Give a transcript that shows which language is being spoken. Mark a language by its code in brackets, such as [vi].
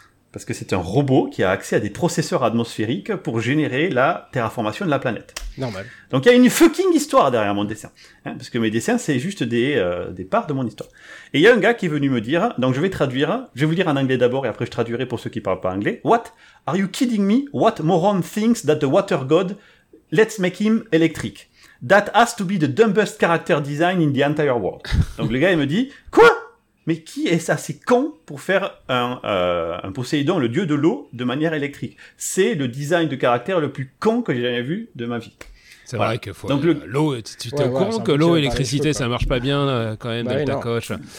[fr] Parce que c'est un robot qui a accès à des processeurs atmosphériques pour générer la terraformation de la planète. Normal. Donc il y a une fucking histoire derrière mon dessin. Hein, parce que mes dessins, c'est juste des parts de mon histoire. Et il y a un gars qui est venu me dire, donc je vais traduire, je vais vous dire en anglais d'abord et après je traduirai pour ceux qui parlent pas anglais. [en] What? Are you kidding me? What moron thinks that the water god, let's make him electric? That has to be the dumbest character design in the entire world. [fr] Donc le gars, il me dit, quoi? Mais qui est assez con pour faire un Poséidon, le dieu de l'eau, de manière électrique? C'est le design de caractère le plus con que j'ai jamais vu de ma vie. C'est voilà. Vrai que faut donc l'eau, tu t'es au courant que l'eau, électricité, ça marche pas bien quand même, Delta Coach.